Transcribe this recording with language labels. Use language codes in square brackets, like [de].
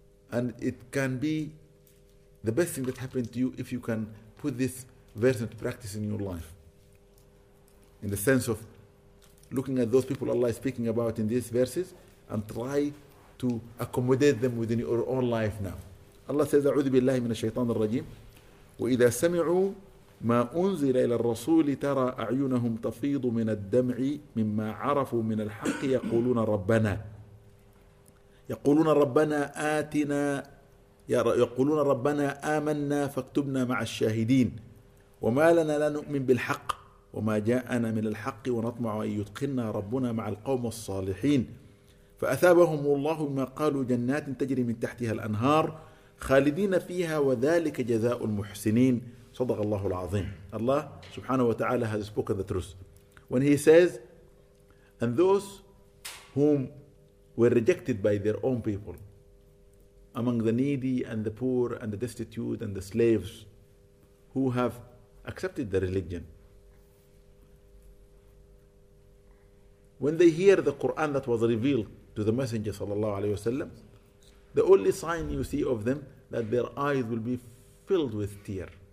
[en] And it can be the best thing that happened to you if you can put this verse into practice in your life. In the sense of looking at those people Allah is speaking about in these verses and try to accommodate them within your own life now. Allah says, [ar] أعوذ بالله من الشيطان الرجيم وإذا سمعوا ما أنزل إلى الرسول ترى أعينهم تفيض من الدمع مما عرفوا من الحق يقولون ربنا يقولون ربنا آتنا يقولون ربنا آمنا فاكتبنا مع الشاهدين وما لنا لا نؤمن بالحق وما جاءنا من الحق ونطمع أن يتقنا ربنا مع القوم الصالحين فأثابهم الله بما قالوا جنات تجري من تحتها الأنهار خالدين فيها وذلك جزاء المحسنين صدق الله العظيم. [en] Allah subhanahu wa ta'ala has spoken the truth when He says, and those whom were rejected by their own people, among the needy and the poor and the destitute and the slaves who have accepted the religion, when they hear the Quran that was revealed to the Messenger sallallahu alayhi wasallam, the only sign you see of them that their eyes will be filled with tears.